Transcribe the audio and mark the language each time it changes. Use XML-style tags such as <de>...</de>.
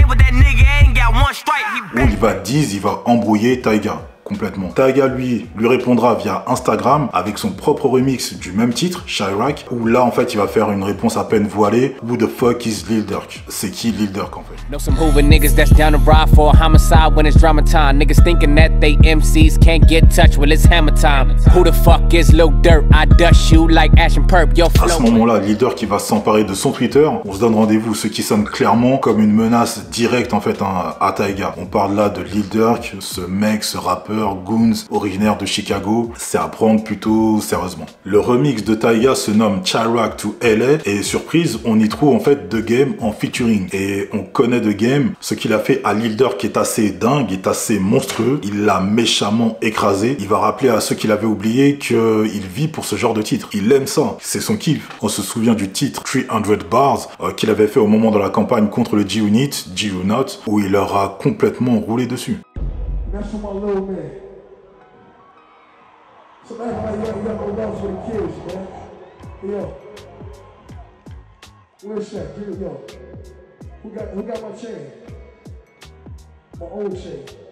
<fr>Où il va embrouiller Tyga. Complètement. Tyga lui répondra via Instagram avec son propre remix du même titre, Chirac, où là en fait il va faire une réponse à peine voilée.</fr> <en>Who the fuck is Lil Durk?</en> <fr>C'est qui Lil Durk en fait?</fr> <en>Know some hoover niggas that's down to ride for a homicide when it's drama time. Niggas thinking that they MCs can't get touch, well it's hammer time. Who the fuck is Lil Durk? I dust you like Ash and Perp.</en> <fr>Yo, à ce moment-là, Lil Durk va s'emparer de son Twitter. On se donne rendez-vous, ce qui sonne clairement comme une menace directe en fait hein, à Tyga. On parle là de Lil Durk, ce mec, ce rappeur. Goons, originaire de Chicago, c'est à prendre plutôt sérieusement. Le remix de Tyga se nomme Chirac to LA et surprise, on y trouve en fait The Game en featuring. Et on connaît The Game, ce qu'il a fait à Lil Durk est assez dingue, est assez monstrueux. Il l'a méchamment écrasé. Il va rappeler à ceux qu'il avait oublié qu'il vit pour ce genre de titre. Il aime ça, c'est son kiff. On se souvient du titre 300 Bars qu'il avait fait au moment de la campagne contre le G-Unit, G-Unit, où il leur a complètement roulé dessus.</fr> <en>That's for my little man. So that's why you got my love for the kids, man. Yo. Where's that? Here we go. Who got my chain? My old chain.</en>